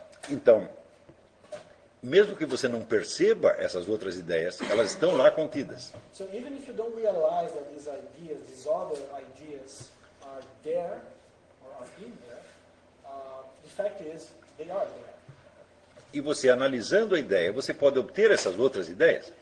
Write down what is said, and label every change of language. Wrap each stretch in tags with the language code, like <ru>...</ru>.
<pt>Então, mesmo que você não perceba essas outras ideias, elas estão lá contidas.</pt> <en>So even if you don't realize that these ideas, these other ideas are there or are in there, the fact is they are there.</en> <pt>E você analisando a ideia, você pode obter essas outras ideias.</pt>